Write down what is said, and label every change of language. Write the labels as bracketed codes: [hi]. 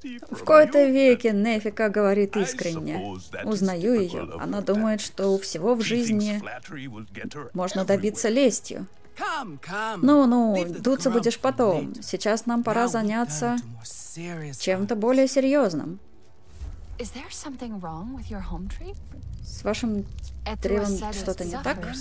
[ru] В кои-то веки Нефика говорит искренне. Узнаю ее. Она думает, что у всего в жизни можно добиться лестью. Ну-ну, дуться будешь потом. Сейчас нам пора заняться чем-то более серьезным. [en] Is there something wrong with your home tree? [ru] С вашим древом что-то не так?